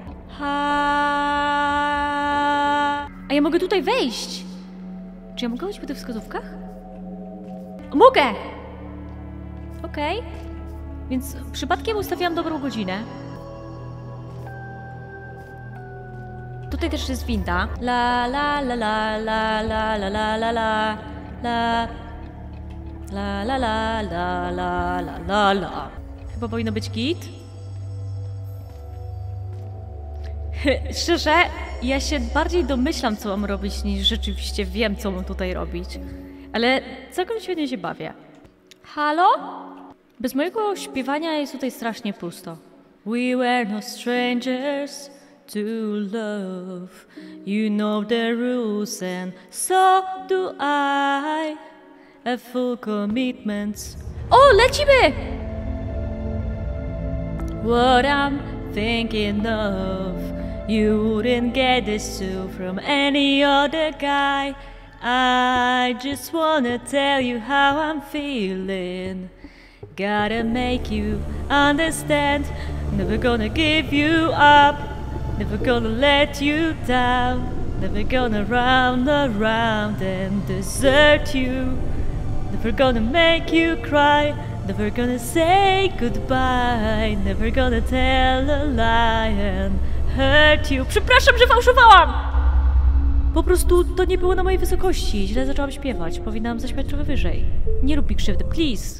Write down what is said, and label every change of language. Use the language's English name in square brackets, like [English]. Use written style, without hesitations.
[Polish] Ha. A ja mogę tutaj wejść! Czy ja mogę być po tych wskazówkach? Mogę! Okej. Więc przypadkiem ustawiłam dobrą godzinę. Tutaj też jest winda. La la la la la la la la la la la la la la la la la la la. Chyba powinno być git. Szczerze, ja się bardziej domyślam, co mam robić, niż rzeczywiście wiem, co mam tutaj robić. Ale całkiem świetnie się bawię. Halo? Bez mojego śpiewania jest tutaj strasznie pusto. [English] We were no strangers to love. You know the rules and so do I. A full commitment. [Polish] O, lecimy! [English] What I'm thinking of. You wouldn't get this too from any other guy. I just wanna tell you how I'm feeling. Gotta make you understand. Never gonna give you up. Never gonna let you down. Never gonna round around and desert you. Never gonna make you cry. Never gonna say goodbye. Never gonna tell a lie and hurt you. [Polish] Przepraszam, że fałszowałam! Po prostu to nie było na mojej wysokości. Źle zaczęłam śpiewać. Powinnam zaśpiewać trochę wyżej. Nie rób mi krzywdy, please!